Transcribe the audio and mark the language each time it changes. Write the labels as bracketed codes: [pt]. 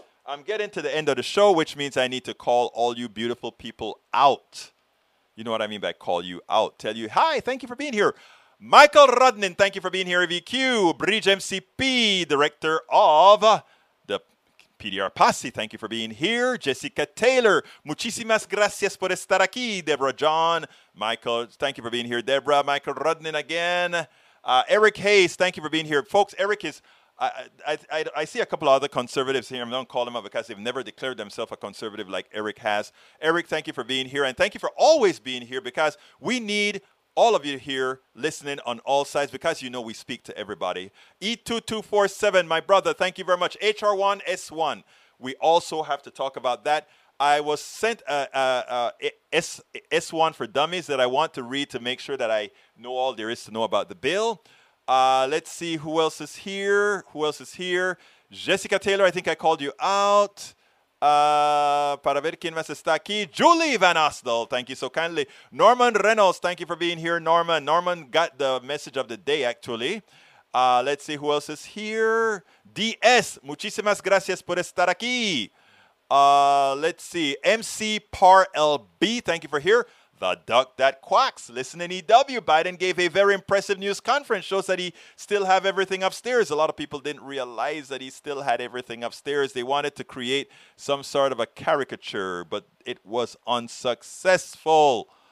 [en] I'm getting to the end of the show, which means I need to call all you beautiful people out. You know what I mean by call you out. Tell you, hi, thank you for being here. Michael Rudnin, thank you for being here. VQ, Bridge MCP, director of the PDR Posse, thank you for being here. Jessica Taylor, [es] muchísimas gracias por estar aquí. [en] Deborah John, Michael, thank you for being here. Deborah, Michael Rudnin again. Eric Hayes, thank you for being here. Folks, Eric is, I see a couple of other conservatives here. I'm not calling them up because they've never declared themselves a conservative like Eric has. Eric, thank you for being here. And thank you for always being here, because we need all of you here listening on all sides, because you know we speak to everybody. E2247, my brother, thank you very much. HR1S1, we also have to talk about that. I was sent S1 for Dummies that I want to read to make sure that I know all there is to know about the bill. Let's see who else is here. Jessica Taylor, I think I called you out. [es] Para ver quién más está aquí. [en] Julie Van Osdell, thank you so kindly. Norman Reynolds, thank you for being here, Norman. Norman got the message of the day, actually. Let's see who else is here. DS, [es] muchísimas gracias por estar aquí. [en] Let's see. MC Par LB, thank you for here. The duck that quacks. Listening, EW. Biden gave a very impressive news conference. Shows that he still have everything upstairs. A lot of people didn't realize that he still had everything upstairs. They wanted to create some sort of a caricature, but it was unsuccessful.